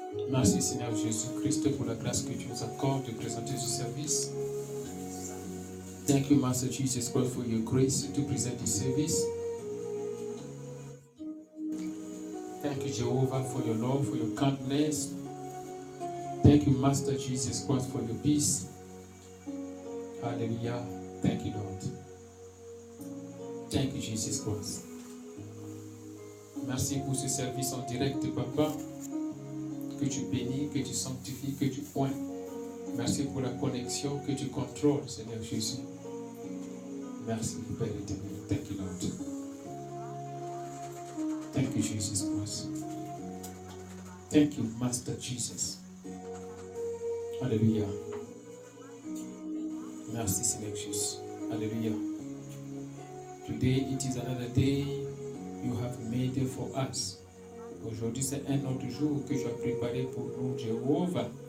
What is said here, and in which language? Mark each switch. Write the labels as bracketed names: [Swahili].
[French] Merci, Seigneur Jésus-Christ, pour la grâce que tu nous accordes de présenter ce service. [English] Thank you, Master Jesus Christ, for your grace to present this service. Thank you, Jehovah, for your love, for your kindness. Thank you, Master Jesus Christ, for your peace. Hallelujah. Thank you, Lord. Thank you, Jesus Christ. [French] Merci pour ce service en direct, Papa. Que tu bénis, que tu sanctifies, que tu pointes. Merci pour la connexion, que tu contrôles, Seigneur Jésus. Merci, Père éternel. [English] Thank you, Lord. Thank you, Jesus Christ. Thank you, Master Jesus. Alléluia. [French] Merci, Seigneur Jésus. Alléluia. [English] Today, it is another day you have made for us. [French] Aujourd'hui, c'est un autre jour que j'ai préparé pour nous, Jéhovah.